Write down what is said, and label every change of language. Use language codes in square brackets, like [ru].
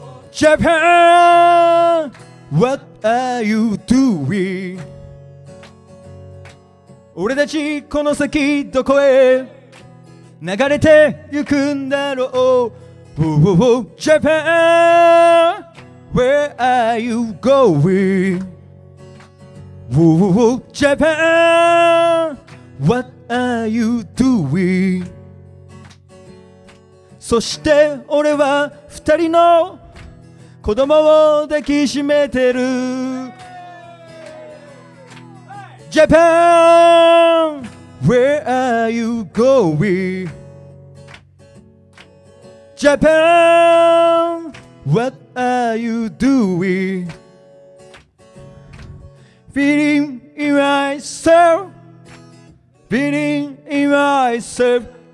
[en] Japan, what are you doing? [ja] 俺たちこの先どこへ流れて行くんだろう。 [en] Ooh, Japan, where are you going? Ooh, Japan, what are you doing? [ja] そして俺は二人の子供を抱きしめてる。 [en] Japan, where are you going? Japan, what are you doing? Feeling in myself, feeling in myself.